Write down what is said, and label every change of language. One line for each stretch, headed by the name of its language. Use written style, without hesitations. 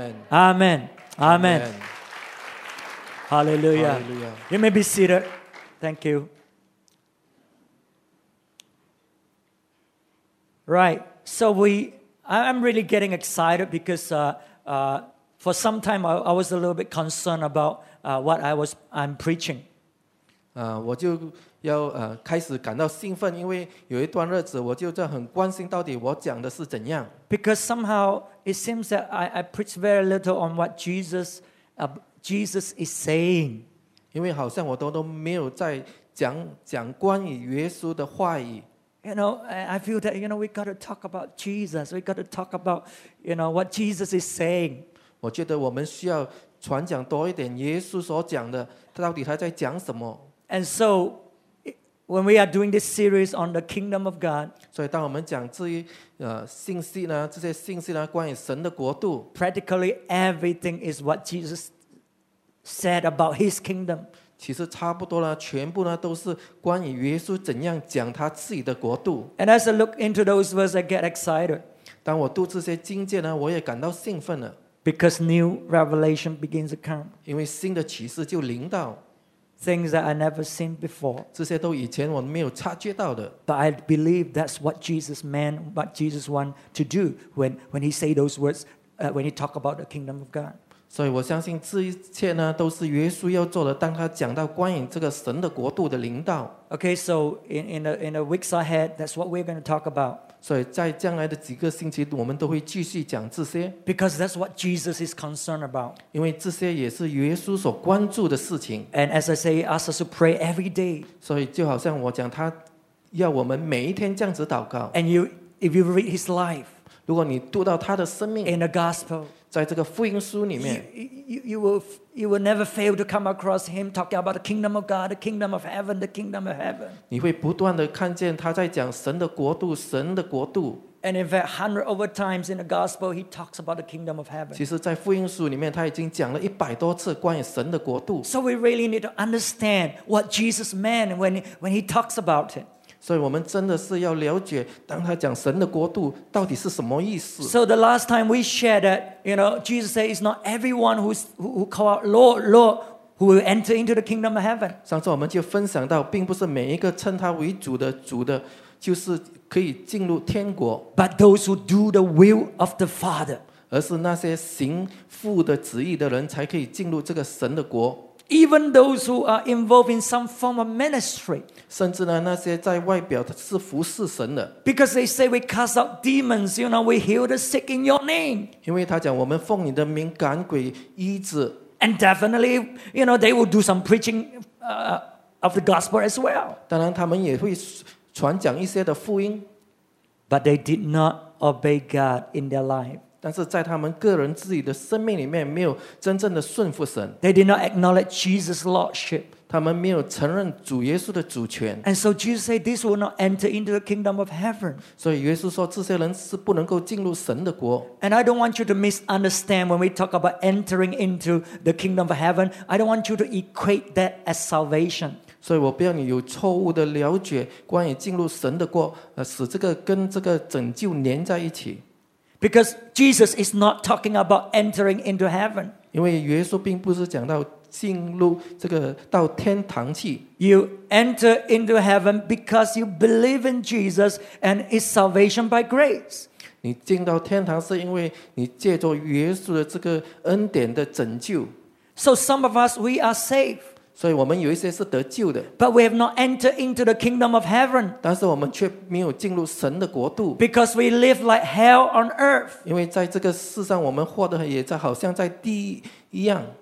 English: Amen. Amen. Hallelujah. You may be seated. Thank you. Right. So I'm really getting excited because for some time I was a little bit concerned about what I'm preaching.
Chinese: 我就要开始感到兴奋，因为有一段日子我就在很关心到底我讲的是怎样。
English: Because somehow it seems that I preach very little on what Jesus is saying.
Chinese: 因为好像我都没有在讲关于耶稣的话语。
English: You know, I feel that, you know, we got to talk about Jesus. We got to talk about, you know, what Jesus is saying.
Chinese: 我觉得我们需要传讲多一点耶稣所讲的，到底他在讲什么。
English: And so, when we are doing this series on the kingdom of God,
Chinese: 所以当我们讲这些信息呢，关于神的国度，
English: practically everything is what Jesus said about his kingdom.
Chinese: 其实差不多了，全部呢都是关于耶稣怎样讲他自己的国度。
English: And as I look into those words, I get excited.
Chinese: 当我读这些经节呢，我也感到兴奋了。
English: Because new revelation begins to come.
Chinese: 因为新的启示就临到。
English: Things that I never seen before.
Chinese: 这些都以前我没有察觉到的。
English: But I believe that's what Jesus meant, what Jesus wanted to do when he said those words, when he talked about the kingdom of God.
Chinese: 所以我相信这一切呢都是耶稣要做的当他讲到关于这个神的国度的领导。
English: Okay, so in the weeks ahead, that's what we're going to talk about.
Chinese: 所以在将来的几个星期我们都会继续讲这些。
English: Because that's what Jesus is concerned about.
Chinese: 因为这些也是耶稣所关注的事情。
English: And as I say, he asks us to pray every day.
Chinese: 所以就好像我讲他要我们每一天这样子祷告。
English: And you, if you read his life,
Chinese: 如果你读到他的生命
English: in the gospel,
Chinese: 在这个福音书里面
English: you will never fail to come across him talking about the kingdom of God, the kingdom of heaven, the kingdom of heaven.
Chinese: 你会不断地看见他在讲神的国度，神的国度。
English: And in fact, 100 over times in the gospel, he talks about the kingdom of heaven.
Chinese: 其实在福音书里面他已经讲了100多次关于神的国度。
English: So we really need to understand what Jesus meant when he talks about it.
Chinese: 所以我们真的是要了解当他讲神的国度到底是什么意思。
English: So the last time we shared that, you know, Jesus said it's not everyone who call out Lord, Lord who will enter into the kingdom of heaven.
Chinese: 上次我们就分享到并不是每一个称他为主的主的就是可以进入天国。
English: But those who do the will of the Father.
Chinese: 而是那些行父的旨意的人才可以进入这个神的国。
English: Even those who are involved in some form of ministry.
Chinese: 甚至呢，那些在外表是服侍神的。
English: Because they say we cast out demons, you know, we heal the sick in your name.
Chinese: 因为他讲我们奉你的名赶鬼医治。
English: And definitely, you know, they will do some preaching, of the gospel as well.
Chinese: 当然，他们也会传讲一些的福音。
English: But they did not obey God in their life.
Chinese: 但是在他们个人自己的生命里面，没有真正的顺服神。
English: They did not acknowledge Jesus' lordship.
Chinese: 他们没有承认主耶稣的主权。
English: And so Jesus said, "This will not enter into the kingdom of heaven."
Chinese: 所以耶稣说，这些人是不能够进入神的国。
English: And I don't want you to misunderstand when we talk about entering into the kingdom of heaven. I don't want you to equate that as salvation.
Chinese: 所以我不要你有错误的了解，关于进入神的国，使这个跟这个拯救连在一起。
English: Because Jesus is not talking about entering into heaven.
Chinese: 因为耶稣并不是讲到进入这个到天堂去。
English: You enter into heaven because you believe in Jesus and it's salvation by grace.
Chinese: 你进到天堂是因为你借着耶稣的这个恩典的拯救。
English: So some of us, we are saved.
Chinese: 所以我们有一些是得救的。
English: But we have not entered into the kingdom of heaven.
Chinese: 但是我们却没有进入神的国度。
English: Because we live like hell on earth.
Chinese: 因为在这个世上我们活得也在好像在地一样。